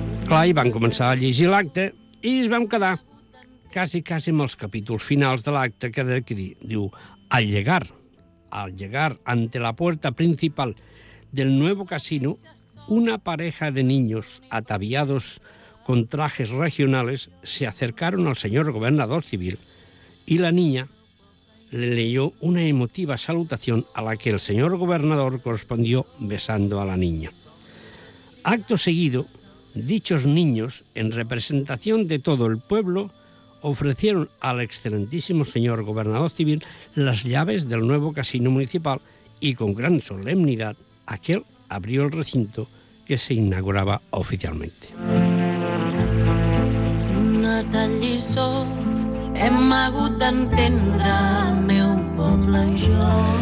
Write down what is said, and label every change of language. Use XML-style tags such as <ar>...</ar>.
<ca>Clar, i van començar a llegir l'acte i es vam quedar quasi amb els capítols finals de l'acte, que diu...</ca> <es>Al llegar ante la puerta principal del nuevo casino, una pareja de niños ataviados con trajes regionales se acercaron al señor gobernador civil y la niña le leyó una emotiva salutación a la que el señor gobernador correspondió besando a la niña. Acto seguido, dichos niños, en representación de todo el pueblo, ofrecieron al excelentísimo señor gobernador civil las llaves del nuevo casino municipal y con gran solemnidad aquel abrió el recinto que se inauguraba oficialmente.</es> <ca>Una tal lliçó hem hagut d'entendre el meu poble i jo.</ca>